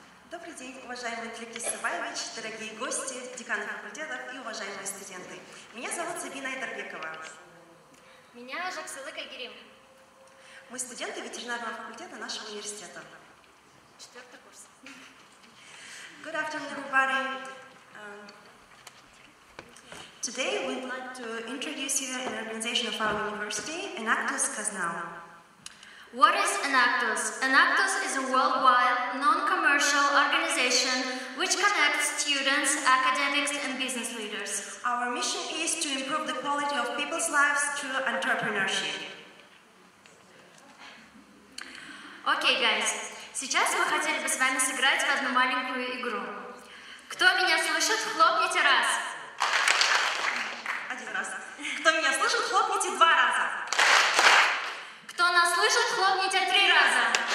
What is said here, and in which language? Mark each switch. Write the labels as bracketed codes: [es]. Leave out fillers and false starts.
[ru] Добрый день, уважаемый Тлекис Сабаевич, дорогие гости, деканы факультетов и уважаемые студенты. Меня зовут Сабина Айдарбекова. Меня Жаксылы Кагирим. Мы студенты ветеринарного факультета нашего университета. Четвертый курс. [en] Good afternoon, everybody. Today we'd like to introduce you to an organization of our university, Enactus Kaznau. What is Enactus? Enactus is a worldwide, non-commercial organization which connects students, academics, and business leaders. Our mission is to improve the quality of people's lives through entrepreneurship. Okay, guys. [ru] Сейчас мы хотели бы с вами сыграть в одну маленькую игру. Кто меня слышит, хлопните раз. Один раз. Кто меня слышит, хлопните два раза. Кто нас слышит, хлопните три раза.